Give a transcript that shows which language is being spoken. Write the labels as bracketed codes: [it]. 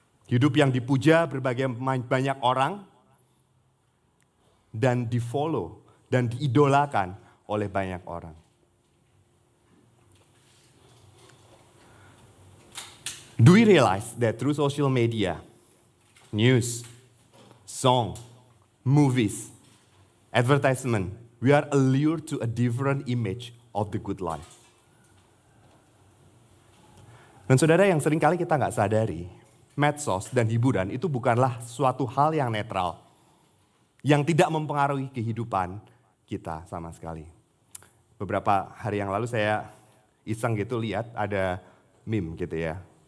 [id] Hidup yang dipuja berbagai banyak orang dan difollow dan diidolakan oleh banyak orang. [en] Do we realize that through social media, news, song, movies, advertisement, we are allured to a different image of the good life? [id] Dan saudara, yang seringkali kita gak sadari, medsos dan hiburan itu bukanlah suatu hal yang netral, yang tidak mempengaruhi kehidupan kita sama sekali. Beberapa hari yang lalu saya iseng gitu lihat ada meme gitu ya.